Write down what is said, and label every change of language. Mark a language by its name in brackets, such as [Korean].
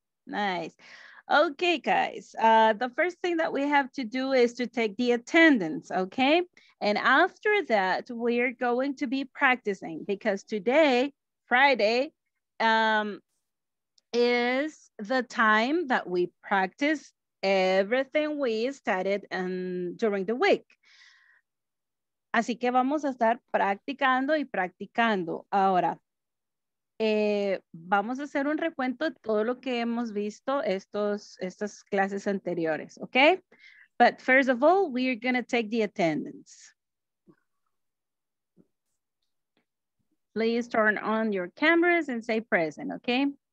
[English] Okay, guys, the first thing that we have to do is to take the attendance, okay? And after that, we're going to be practicing because today, Friday, is the time that we practice everything we studied during the week. [Spanish] Así que vamos a estar practicando y practicando ahora. Vamos a hacer un recuento de todo lo que hemos visto estas clases anteriores, okay? [English] But first of all, we are going to take the attendance. Please turn on your cameras and say present, okay?